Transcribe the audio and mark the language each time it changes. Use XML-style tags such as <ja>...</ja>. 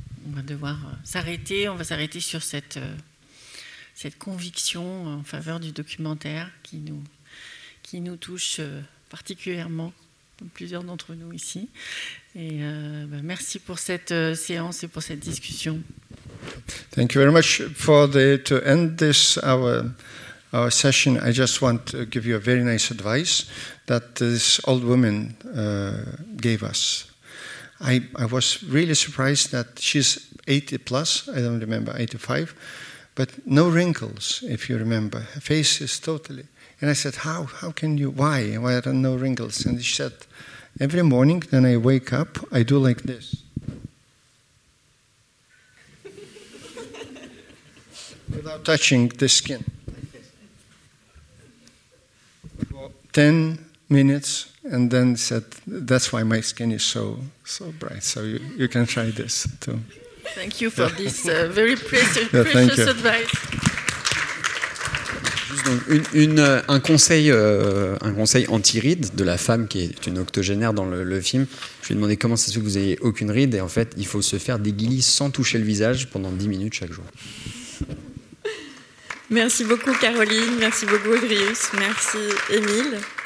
<fr>On va devoir s'arrêter. On va s'arrêter sur cette conviction en faveur du documentaire qui nous touche particulièrement, comme plusieurs d'entre nous ici. Et merci pour cette séance et pour cette discussion.</fr> <en>Thank you very much for to end this our session. I just want to give you a very nice advice that this old woman gave us. I was really surprised that she's 80 plus, I don't remember, 85, but no wrinkles, if you remember. Her face is totally... And I said, how can you... Why are there no wrinkles? And she said, every morning when I wake up, I do like this. Without touching the skin. For 10 minutes... And then said, that's why my skin is so bright. So you can try this too. Thank you for this very precious advice.</en> <fr>Juste donc un conseil anti-rides de la femme qui est une octogénaire dans le film. Je lui ai demandé comment ça se fait que vous n'ayez aucune ride. Et en fait, il faut se faire des guillis sans toucher le visage pendant 10 minutes chaque jour. Merci beaucoup Caroline, merci beaucoup Audrius, merci Émile.</fr>